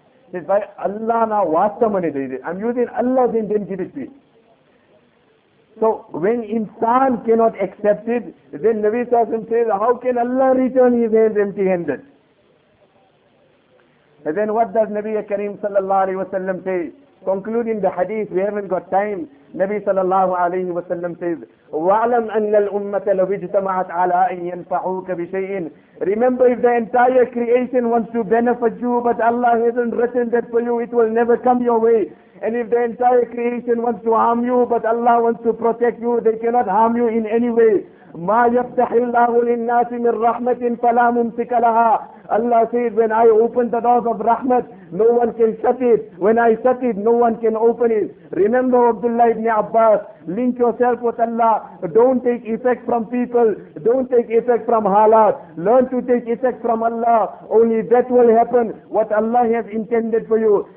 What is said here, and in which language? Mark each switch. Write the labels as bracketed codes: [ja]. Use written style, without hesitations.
[en] He says, Allah na wasamani dayde. I'm using Allah's name, then give it to him. So when insan cannot accept it, then Nabi Sallallahu Alaihi Wasallam says, how can Allah return his hands empty-handed? And then what does Nabi Kareem Sallallahu Alaihi Wasallam say? Concluding the hadith, we haven't got time. Nabi Sallallahu Alaihi Wasallam says, [ar] وَعْلَمْ أَنَّ الْأُمَّةَ لَوِ اجْتَمَعَتْ عَلَىٰ أَنْ يَنْفَعُوكَ بِشَيْءٍ. [en] Remember, if the entire creation wants to benefit you, but Allah hasn't written that for you, it will never come your way. And if the entire creation wants to harm you, but Allah wants to protect you, they cannot harm you in any way. [ar] ما يفتح الله للناس من رحمة فلا ممسك لها. [en] Allah said, when I open the doors of rahmat, no one can shut it. When I shut it, no one can open it. Remember Abdullah ibn Abbas, link yourself with Allah. Don't take effect from people. Don't take effect from halat. Learn to take effect from Allah. Only that will happen, what Allah has intended for you.